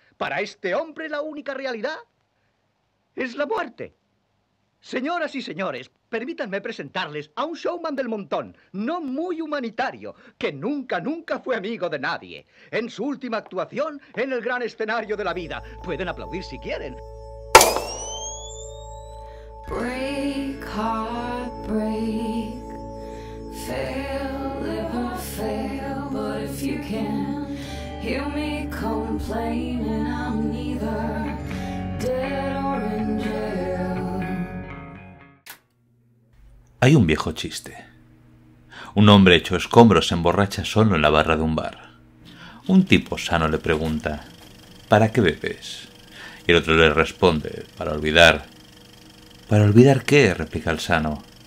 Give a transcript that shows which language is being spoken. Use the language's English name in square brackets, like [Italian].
[Spanish] Para este hombre la única realidad es la muerte. Señoras y señores, permítanme presentarles a un showman del montón, no muy humanitario, que nunca, nunca fue amigo de nadie. En su última actuación, en el gran escenario de la vida. Pueden aplaudir si quieren. [English] Break, heartbreak, fail, live or fail, but if you can, hear me complain, and I'm neither dead or in jail. [Spanish] Hay un viejo chiste. Un hombre hecho escombros se emborracha solo en la barra de un bar. Un tipo sano le pregunta, ¿para qué bebes? Y el otro le responde, para olvidar. ¿Para olvidar qué? Replica el sano.